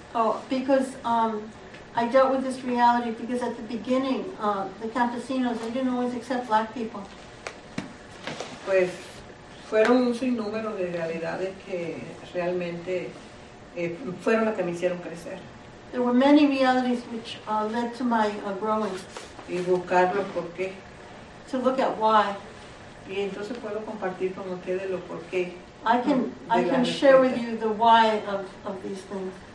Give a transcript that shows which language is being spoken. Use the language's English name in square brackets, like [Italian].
[English] Oh, because I dealt with this reality because at the beginning the campesinos, they didn't always accept black people. [Spanish] Pues fueron un sinnúmero de realidades que realmente fueron las que me hicieron crecer. [English] There were many realities which led to my growing. [Spanish] Y buscarlo por qué. [English] To look at why. [Spanish] Y entonces puedo compartir con ustedes lo por qué. [English] I can share with you the why of these things.